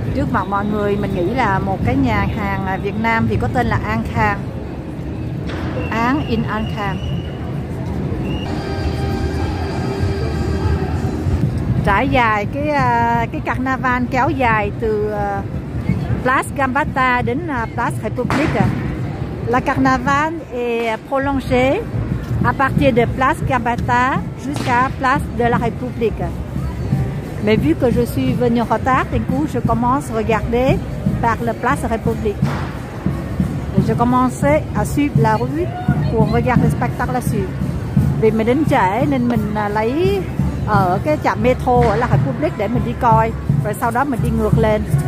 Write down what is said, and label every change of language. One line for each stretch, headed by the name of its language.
Vietnamese: Trước mặt mọi người mình nghĩ là một cái nhà hàng Việt Nam thì có tên là An Khang. Án in An Khang. Trải dài cái carnival kéo dài từ Place Gambetta đến Place République.
French: La carnaval est prolongé à partir de Place Gambetta jusqu'à Place de la République. Mais vu que je suis venue en retard, du coup, je commence à regarder par la Place République. Et je commençais à suivre la rue pour regarder le spectacle là-dessus.
Vietnamese: Vì mình đến trễ nên mình lấy ở cái trạm metro ở La République để mình đi coi, rồi sau đó mình đi ngược lên.